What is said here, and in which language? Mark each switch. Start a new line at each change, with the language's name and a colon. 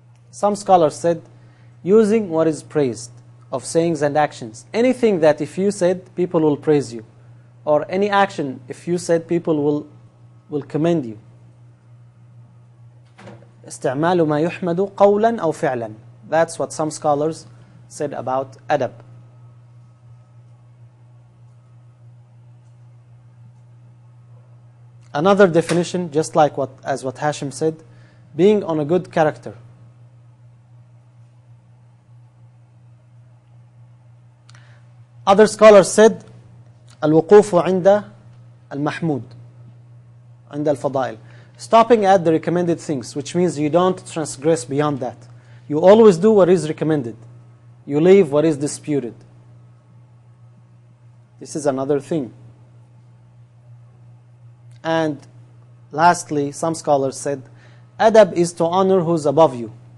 English: Some scholars said, using what is praised of sayings and actions. Anything that if you said, people will praise you. Or any action, if you said, people will commend you.
Arabic: استعمال ما يحمد قولا أو فعلا.
English: That's what some scholars said about adab. Another definition, just like what Hashim said, being on a good character. Other scholars said,
Arabic: الوقوف عند المحمود عند الفضائل.
English: Stopping at the recommended things, which means you don't transgress beyond that. You always do what is recommended. you leave what is disputed. This is another thing. And lastly, some scholars said, adab is to honor who's above you.